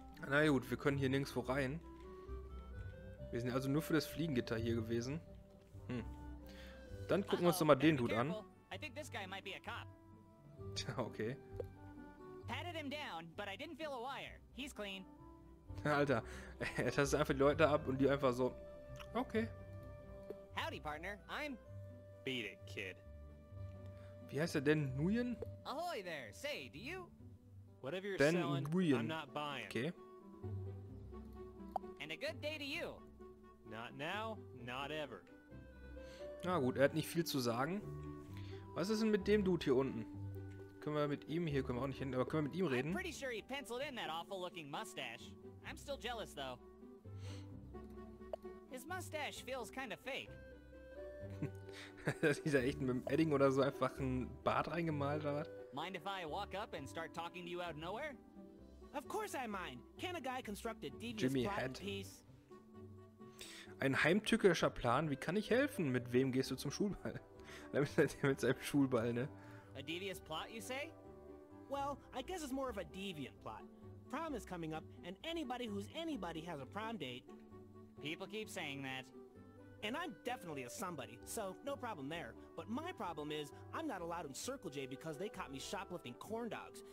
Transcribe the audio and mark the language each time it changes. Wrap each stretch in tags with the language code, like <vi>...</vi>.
<de>Na gut, wir können hier nirgendwo rein. Wir sind also nur für das Fliegengitter hier gewesen. Hm. Dann gucken wir uns doch mal den Dude an.</de> <en>I think this guy might be a cop. Tja, okay. Patted him down, but I didn't feel a wire. He's clean.</en> <de>Alter, er tastet einfach die Leute ab und die einfach so. Okay.</de> <en>Howdy, partner. I'm. Beat it, kid.</en> <de>Wie heißt er denn? Nguyen?</de> <en>Ahoy there. Say, do you? Whatever you're Den selling, Nguyen. I'm not buying. Okay. And a good day to you. Not now, not ever.</en> <de>Na gut, er hat nicht viel zu sagen. Was ist denn mit dem Dude hier unten? Können wir mit ihm hier, können wir auch nicht hin, aber können wir mit ihm reden?</de> <en>I'm pretty sure he penciled in that awful looking mustache. I'm still jealous though. His mustache feels kind of fake.</en> <de>Ist er echt mit dem Edding oder so einfach ein Bart reingemalt oder was?</de> <en>Mind if I walk up and start talking to you out of nowhere? Of course I mind. Can a guy construct a devious plot and piece?</en> <de>Ein heimtückischer Plan, wie kann ich helfen? Mit wem gehst du zum Schulball? Mit seinem Schulball, ne?</de> <en>A devious plot, you say? Well, I guess it's more of a deviant plot. Prom is coming up, and anybody who's anybody has a prom date. People keep saying that. And I'm definitely a somebody, so no problem there. But my problem is, I'm not allowed in Circle J because they caught me shoplifting corn dogs.</en>